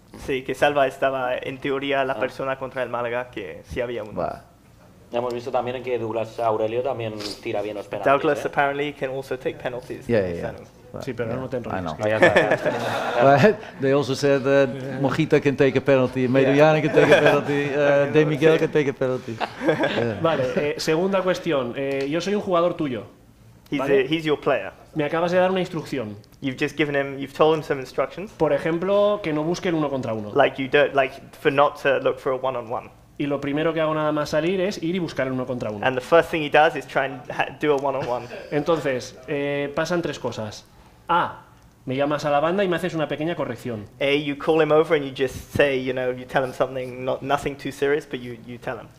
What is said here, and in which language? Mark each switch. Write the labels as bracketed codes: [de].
[es] Sí, que Salva estaba en teoría la persona contra el Málaga, que sí había uno. Bah. Hemos visto también que Douglas Aurelio también tira bien los penaltis. Douglas ¿eh? [en] Apparently can also take penalties. Yeah. [es] Sí, pero no te enrolles. [en] I know. But they also said that Mojita can take a penalty, Medellana can take a penalty, De Miguel can take a penalty. [es] Vale, segunda cuestión. Yo soy un jugador tuyo. [en] He's your player. [es] Me acabas de dar una instrucción. [en] You've just given him, you've told him some instructions. [es] Por ejemplo, que no busque el uno contra uno. [en] Like you don't, like for not to look for a one on one. [es] Y lo primero que hago nada más salir es ir y buscar el uno contra uno. [en] And the first thing he does is try and do a one on one. [es] Entonces, pasan tres cosas. A, me llamas a la banda y me haces una pequeña corrección. [en] A, you call him over and you just say, you know, you tell him something, nothing too serious, but you tell him.